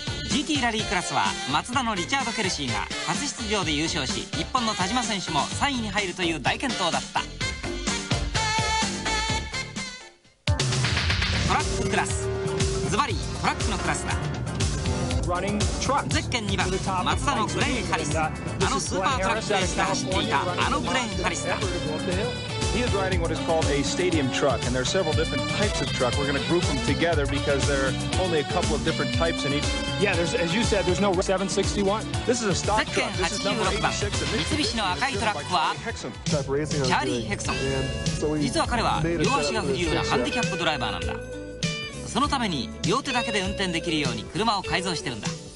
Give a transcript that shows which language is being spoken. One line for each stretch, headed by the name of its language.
Japanese: GT ラリークラスはマツダのリチャード・ケルシーが初出場で優勝し、日本の田島選手も3位に入るという大健闘だった。トラッククラス、ズバリトラックのクラスだ。ゼッケン2番マツダのグレン・ハリス、あのスーパートラックレースで走っていたあのグレン・ハリスだ。
English: He is riding what is called a stadium truck, and there are several different types of truck. We're going to group them together because there are only a couple of different types in each. Yeah, there's, as you said, there's no 761. This is a stock truck. This is number 86.
Japanese: Mitsubishi の赤いトラックはチャーリー・ヘクソン。実は彼は両足が不自由なハンディキャップドライバーなんだ。そのために両手だけで運転できるように車を改造してるんだ。